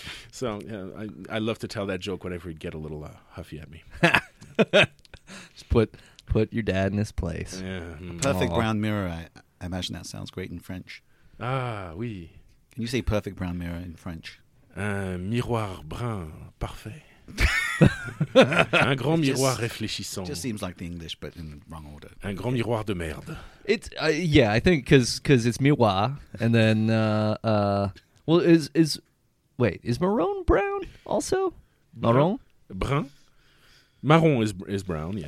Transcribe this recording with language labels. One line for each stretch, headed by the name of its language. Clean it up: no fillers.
English: So yeah, I love to tell that joke whenever he'd get a little huffy at me. Just put your dad in his place. Yeah. Perfect brown mirror. I imagine that sounds great in French.
French: Ah, oui.
English: Can you say perfect brown mirror in French?
French: Un miroir brun parfait. Un grand miroir réfléchissant.
English: It just seems like the English, but in the wrong order.
French: Un grand miroir de merde.
English: I think because it's miroir, and then, is marron brown also?
French: Marron?
English: Brun. Marron is brown, yes.